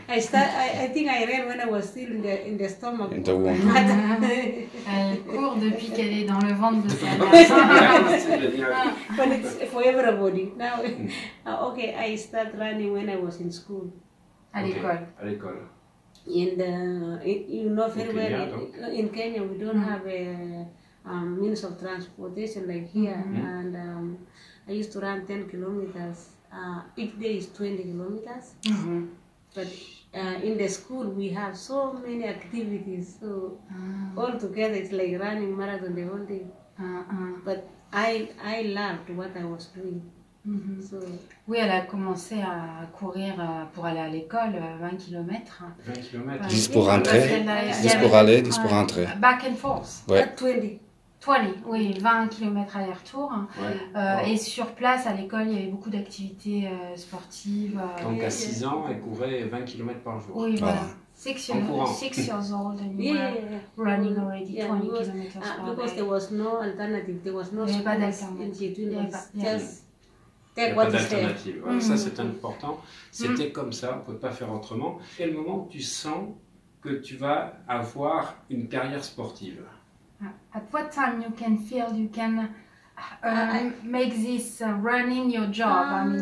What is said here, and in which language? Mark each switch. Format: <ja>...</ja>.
<en>I think I ran when I was still in the stomach. In the womb.</en> <fr>Elle court depuis qu'elle est dans le ventre de sa mère. C'est génial.</fr> <en>But it's for everybody. Now, okay, I start running when I was in school.</en> <fr>À l'école. À l'école.</fr> <en>In the, you know very well, in Kenya we don't have means of transportation, like here. Mm-hmm. And I used to run 10 kilometers. Each day is 20 kilometers. Mm-hmm. But in the school, we have so many activities. So mm-hmm. all together, it's like running marathon the whole day. Mm-hmm. But I loved what I was doing. Mm-hmm.</en> <fr>Oui, elle a commencé à courir pour aller à l'école, 20 km. 20 km. 10 pour rentrer. 10 pour aller, 10 pour rentrer.</fr> <en>Back and forth.</en> <fr>Ouais. 20. 20, oui, 20 km aller-retour. Ouais. Wow. Et sur place, à l'école, il y avait beaucoup d'activités sportives. Donc à 6 ans, elle courait 20 km par jour. Oui, voilà.</fr> <en>6 years old and you yeah. were running already yeah, 20 kilometers per day. Because there was no alternative, there was no school.</en> <fr>Pas d'alternative. Pas d'alternative. Ouais, mm-hmm. Ça, c'est important. C'était mm-hmm. comme ça, on ne peut pas faire autrement. Quel moment tu sens que tu vas avoir une carrière sportive?</fr> <en>At what time you can feel you can make this running your job?</en>